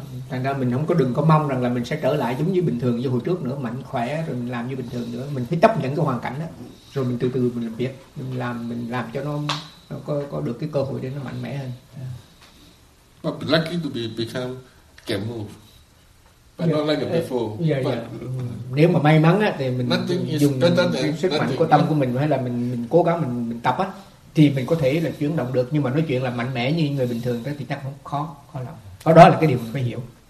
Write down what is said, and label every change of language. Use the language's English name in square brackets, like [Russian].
[Vietnamese] thành ra mình không có đừng có mong rằng là mình sẽ trở lại giống như bình thường như hồi trước nữa, mạnh khỏe rồi mình làm như bình thường nữa. Mình phải chấp nhận cái hoàn cảnh đó, rồi mình từ từ mình làm việc, mình làm cho nó có được cái cơ hội để nó mạnh mẽ hơn. [English] But lucky to become can move, but not like a before. Yeah, yeah. [Vietnamese] Nếu mà may mắn á thì mình dùng sức mạnh của tâm của mình hay là mình cố gắng mình tập á. Thì mình có thể là chuyển động được, nhưng mà nói chuyện là mạnh mẽ như người bình thường đó thì chắc không khó lắm. Đó là cái điều mình phải hiểu.